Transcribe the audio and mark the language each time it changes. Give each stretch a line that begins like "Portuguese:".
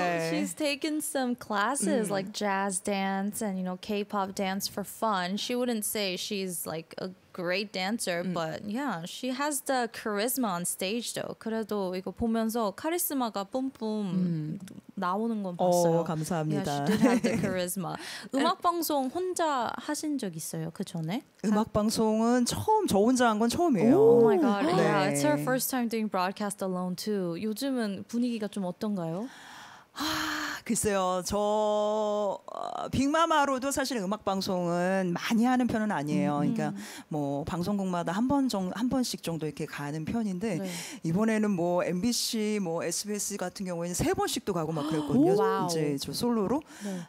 English: She's taken some classes like jazz dance and you know K-pop dance for fun. She wouldn't say she's like a great dancer, but yeah, she has the charisma on stage though.
Korean: 그래도 이거 보면서 카리스마가 뿜뿜 나오는 건 봤어요. 감사합니다.
English: Yeah, she did have the charisma.
Korean: 음악 방송 혼자 하신 적 있어요? 그 전에? 음악 방송은 처음 저 혼자 한 건 처음이에요.
English: Oh my god. Yeah, it's her first time doing broadcast alone too.
Korean: 요즘은 분위기가 좀 어떤가요? 아, 글쎄요. 저 빅마마로도 사실 음악 방송은 많이 하는 편은 아니에요. 그러니까 뭐 방송국마다 한 번씩 정도 이렇게 가는 편인데 이번에는 뭐 MBC, 뭐 SBS 같은 경우에는 세 번씩도 가고 막 그랬거든요. 이제 저 솔로로. 네.